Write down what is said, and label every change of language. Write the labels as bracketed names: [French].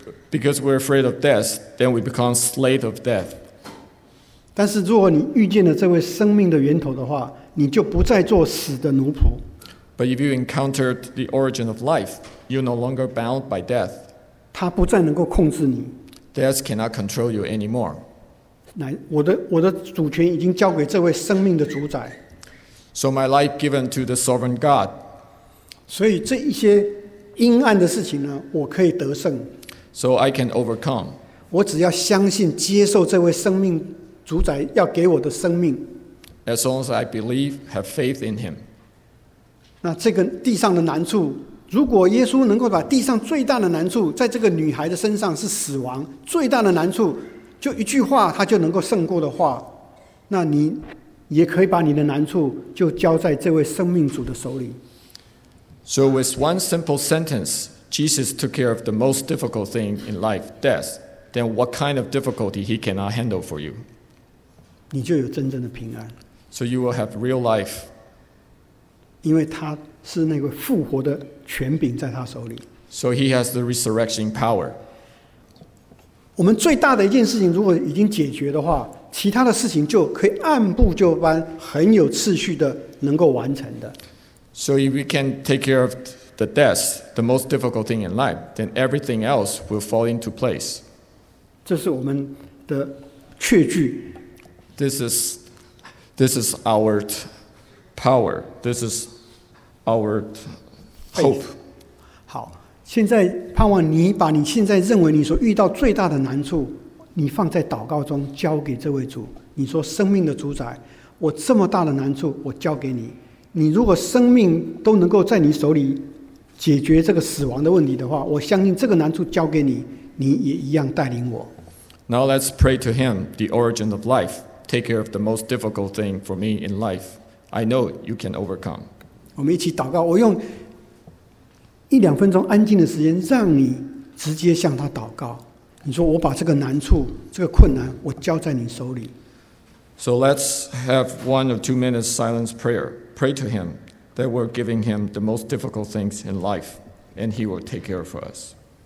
[English] Because we're afraid of death, then we become slave of death. [Chinese] 但是如果你遇见了这位生命的源头的话，你就不再做死的奴仆。 [English] But if you encountered the origin of life, you're no longer bound by death. [Chinese] 他不再能够控制你。 [English] Death cannot control you anymore. [Chinese] 我的主权已经交给这位生命的主宰。 [English] So my life given to the sovereign God. [Chinese] 所以这一些阴暗的事情呢，我可以得胜。 [English] So I can overcome. [Chinese] 我只要相信、接受这位生命。主宰要给我的生命。 [English] As long as I believe, have faith in him. [Chinese] 那这个地上的难处，如果耶稣能够把地上最大的难处，在这个女孩的身上是死亡，最大的难处，就一句话，他就能够胜过的话，那你也可以把你的难处就交在这位生命主的手里。 [English] So with one simple sentence, Jesus took care of the most difficult thing in life, death. Then what kind of difficulty he cannot handle for you? [Chinese] 你就有真正的平安。 [English] So you will have real life. [Chinese] 因为他是那个复活的权柄在他手里。 [English] So he has the resurrection power. [Chinese] 我们最大的一件事情如果已经解决的话，其他的事情就可以按部就班，很有次序的能够完成的。 [English] So if we can take care of the death, the most difficult thing in life, then everything else will fall into place. [Chinese] 这是我们的确据。 [English] This is our power. This is our hope. [Chinese] 好，现在盼望你把你现在认为你所遇到最大的难处，你放在祷告中交给这位主。你说生命的主宰，我这么大的难处我交给你。你如果生命都能够在你手里解决这个死亡的问题的话，我相信这个难处交给你，你也一样带领我。 [English] Now let's pray to him, the origin of life. Take care of the most difficult thing for me in life. I know you can overcome. [Chinese] 我们一起祷告。我用一两分钟安静的时间，让你直接向他祷告。你说：“我把这个难处、这个困难，我交在你手里。” [English] So let's have 1 or 2 minutes silence prayer. Pray to him that we're giving him the most difficult things in life, and he will take care of us.